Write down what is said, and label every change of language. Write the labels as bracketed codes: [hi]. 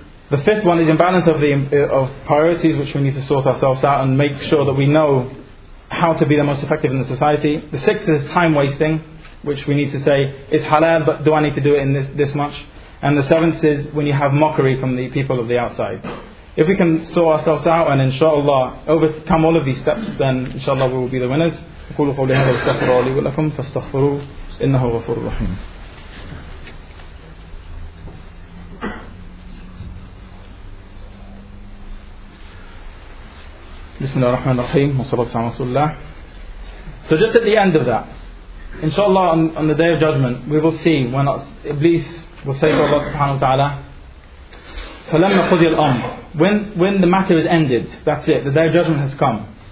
[en] The fifth one is imbalance of priorities, which we need to sort ourselves out and make sure that we know how to be the most effective in the society. The sixth is time wasting, which we need to say, it's halal, but do I need to do it in this much? And the seventh is when you have mockery from the people of the outside. If we can sort ourselves out and inshallah overcome all of these steps, then inshallah we will be the winners. [ar] أقول قولي هذا واستغفر لي ولكم فاستغفروا إنه غفور رحيم. بسم الله الرحمن الرحيم وصلى الله على رسول الله. [en] So just at the end of that, inshallah on the day of judgment, we will see when Iblis will say to Allah subhanahu wa ta'ala, [ar] فَلَمَّ قُضِيَ الْأَمْرُ, [en] when the matter is ended, that's it, the day of judgment has come.